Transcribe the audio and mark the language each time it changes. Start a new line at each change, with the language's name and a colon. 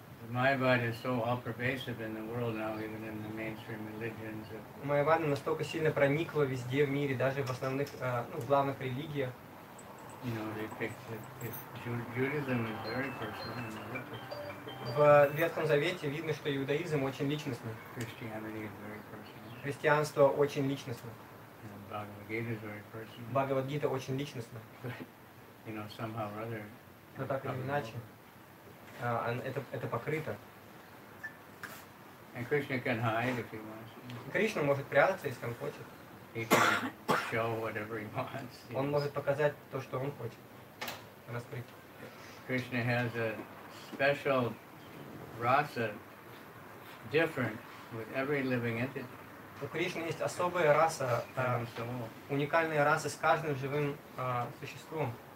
English: Майявада is so all pervasive in the world now, even in the mainstream religions.
Russian: Майявада настолько сильно проникла везде в мире, даже в основных, в главных религиях.
English: You know, they picked Judaism is very personal in the
Russian: В Ветхом Завете видно, что иудаизм очень личностный.
English: Christianity is very personal.
Russian: Христианство очень личностно.
English: Бхагавад-гита is very personal.
Russian: Бхагавад-гита очень личностно.
English: You know, somehow or other.
Russian: Но так или иначе, это покрыто.
English: And Krishna can hide if he wants.
Russian: Кришна может прятаться, если он хочет.
English: He can show whatever he wants.
Russian: Он может показать то, что он хочет. Раскрыть.
English: Krishna has a special rasa different with every living entity.
Russian: У Кришны есть особая раса, уникальная раса с каждым живым существом.